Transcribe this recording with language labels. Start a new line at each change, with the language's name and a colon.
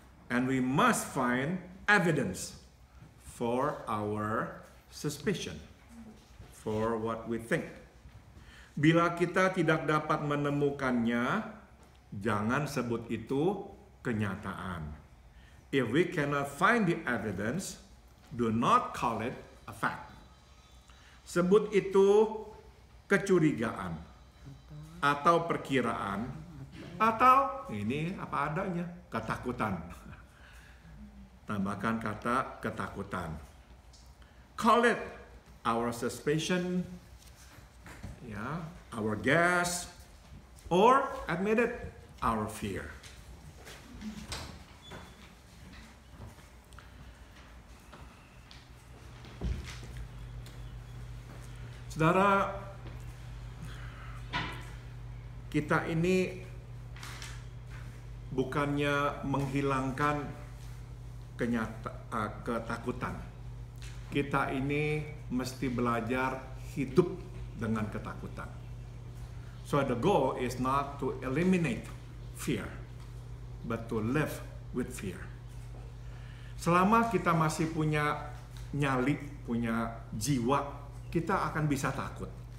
English: And we must find evidence for our suspicion, for what we think.
Indonesian: Bila kita tidak dapat menemukannya, jangan sebut itu kenyataan.
English: If we cannot find the evidence, do not call it a fact.
Indonesian: Sebut itu kecurigaan, atau perkiraan, atau ini apa adanya, ketakutan. Tambahkan kata ketakutan.
English: Call it our suspicion, yeah, our guess, or admit it, our fear.
Indonesian: Saudara, kita ini bukannya menghilangkan ketakutan. Kita ini mesti belajar hidup dengan ketakutan.
English: So the goal is not to eliminate fear, but to live with fear.
Indonesian: Selama kita masih punya nyali, punya jiwa, kita akan bisa takut.